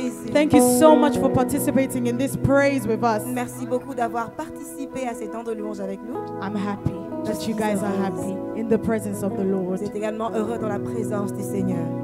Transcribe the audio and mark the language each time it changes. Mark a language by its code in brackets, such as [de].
[en] Thank you so much for participating in this praise with us. [fr] Merci beaucoup d'avoir participé à ces temps de louange avec nous. [en] I'm happy that you guys are happy in the presence of the Lord. [fr] Vous êtes également heureux dans la présence du Seigneur.